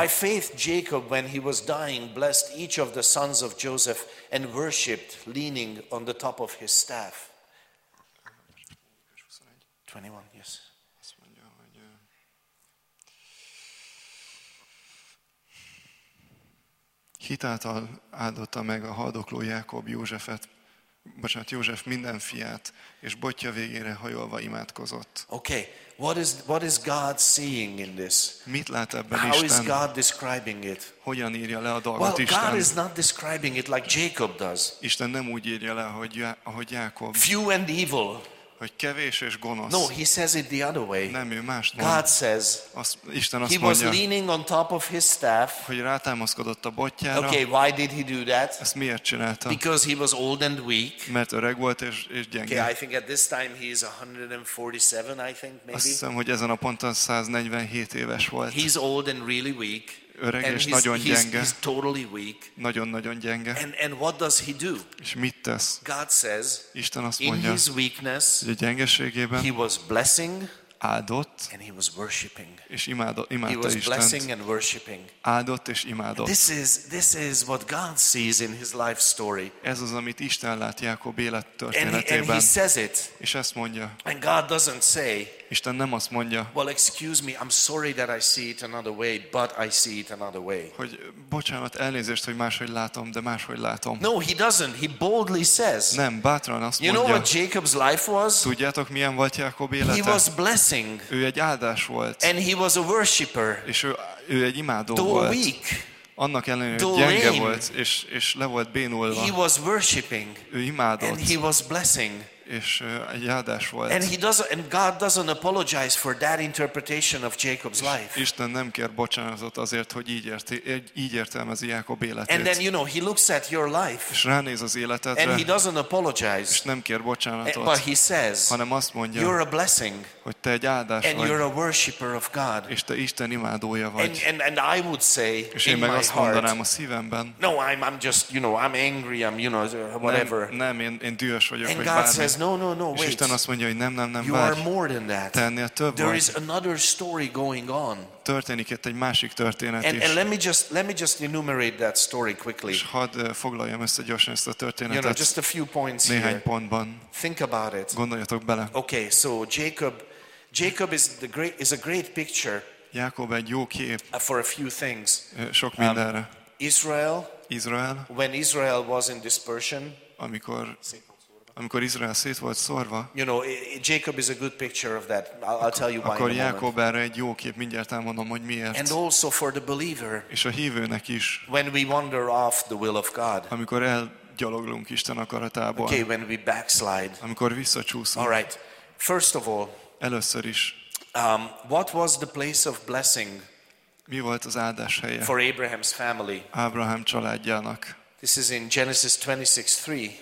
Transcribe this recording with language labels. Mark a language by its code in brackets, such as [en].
[en] By faith Jacob, when he was dying, blessed each of the sons of Joseph and worshipped, leaning on the top of his staff. 21, yes. [hu] Azt mondja, hogy hitáltal áldotta meg a haldokló Jákob Józsefet. Bocsánat, József minden fiát és botja végére hajolva imádkozott. [en] Okay, what is God seeing in this? [hu] Mit lát ebben [en] How [hu] Isten? [en] How is God describing it? [hu] Hogyan írja le a dolgot [en] well, [hu] Isten? [en] God is not describing it like Jacob does. [hu] Isten nem úgy írja le, ahogy Jákob. [en] Few and evil. [hu] Hogy kevés és gonosz. [en] No, he says it the other way. [hu] Nem, ő mást mond. [en] God says. [hu] Isten azt [en] he [hu] mondja. [en] He was leaning on top of his staff. [hu] Hogy rátámaszkodott a botjára. [en] Okay, why did he do that? [hu] Ezt miért csinálta? [en] Because he was old and weak. [hu] Mert öreg volt és gyenge. [en] Okay, I think at this time he is 147, I think maybe. [hu] Azt hiszem, hogy ezen a ponton 147 éves volt. [en] He's old and really weak. [hu] Öreg és [en] and [hu] nagyon [en] he's, [hu] gyenge. [en] He's totally weak. [hu] Nagyon-nagyon gyenge. [en] And what does he do? [hu] És mit tesz? [en] God says, [hu] Isten azt mondja, [en] in his weakness, [hu] hogy a gyengeségében, [en] he was blessing, [hu] áldott, [en] and he was worshiping. [hu] És imádta [en] he was [hu] Istent. [en] Blessing and worshiping. [hu] Áldott és imádott. [en] This is what God sees in his life story. [hu] Ez az, amit Isten lát Jákob élettörténetében. [en] And he says it. [hu] És ezt mondja. [en] And God doesn't say, [hu] Isten nem azt mondja. [en] Well, excuse me, I'm sorry that I see it another way, but I see it another way. [hu] Hogy bocsánat, elnézést, hogy máshogy látom, de máshogy látom. [en] No, he doesn't. He boldly says. [hu] Nem, bátran azt [en] you [hu] mondja. [en] You know what Jacob's life was? [hu] Tudjátok, milyen volt Jákob élete? [en] He was blessing. [hu] Ő egy áldás volt. [en] And he was a worshipper. [hu] És ő egy imádó [en] though [hu] volt. [en] Weak. [hu] Annak ellenére, hogy gyenge volt, és le volt bénulva. [en] He was worshipping. [hu] Ő imádott. [en] And he was blessing. [hu] és egy áldás volt. [en] And he doesn't, and God doesn't apologize for that interpretation of Jacob's life. [hu] Isten nem kér bocsánatot azért, hogy így értelmezi Jákob életét. [en] And then you know, he looks at your life. [hu] És ránéz az életedre. [en] And he doesn't apologize. [hu] És nem kér bocsánatot. [en] But he says, [hu] hanem azt mondja, [en] you're a blessing. [hu] Hogy te egy áldás vagy. [en] And you're a worshipper of God. [hu] És te Isten imádója vagy. [en] And I would say, [hu] és én meg azt mondanám a szívemben. [en] No, I'm just, you know, I'm angry, I'm, you know, whatever. [hu] Nem, én dühös vagyok, [en] and God says, no, wait. [hu] És Isten azt mondja, hogy nem, [en] you are more than that. [hu] Te ennél több vagy. [en] There is another story going on. [hu] Történik itt egy másik történet [en] and, [hu] is. [en] And let me just enumerate that story quickly. [hu] És hadd foglaljam össze gyorsan ezt a történetet. [en] You know, just a few points [hu] néhány [en] here. [hu] Néhány pontban. [en] Think about it. [hu] Gondoljatok bele. [en] Okay, so Jacob is a great picture. [hu] Jákob egy jó kép. [en] For a few things. [hu] Sok mindenre. [en] Israel. When Israel was in dispersion. [hu] Amikor Izrael szét volt szorva. [en] You know, Jacob is a good picture of that. I'll tell you why. [hu] Akkor Jákob erre egy jó kép, mindjárt elmondom, hogy miért. [en] And also for the believer. [hu] És a hívőnek is. [en] When we wander off the will of God. [hu] Amikor elgyaloglunk Isten akaratából. [en] Okay, when we backslide. [hu] Amikor visszacsúszunk. [en] All right. First of all. [hu] Először is. [en] What was the place of blessing? [hu] Mi volt az áldás helye? [en] For Abraham's family. [hu] Ábrahám családjának. [en] This is in Genesis 26:3.